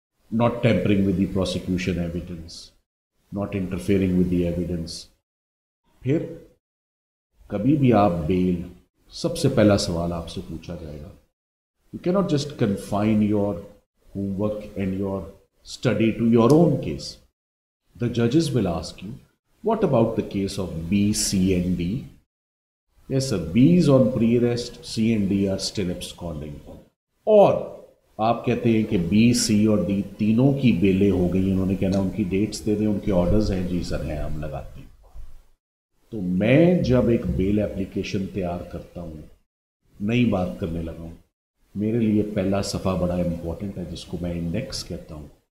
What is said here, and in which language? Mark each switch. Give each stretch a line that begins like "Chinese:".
English: not tampering with the prosecution evidence, not interfering with the evidence,
Urdu: پھر کبھی بھی آپ بیل, سب سے پہلا سوال آپ سے پوچھا جائے گا,
English: You کی not just confine your home work and your study to your own case. دا ججز will ask you what about the case of B, C and D. Yes sir, be is on pre arrest, C and D R still ابسکونڈنگ.
Urdu: اور آپ کہتے ہیں کہ be, سی اور D تینوں کی بیلیں ہو گئی, انہوں نے کہنا ان کی ڈیٹس دے دیں, ان کے آرڈرز ہیں, جی سر ہیں, ہم لگاتے ہیں. تو میں جب ایک بیل اپلیکیشن تیار کرتا ہوں, نئی بات کرنے لگا ہوں, میرے لیے پہلا صفحہ بڑا امپورٹنٹ ہے جس کو میں انڈیکس کہتا ہوں.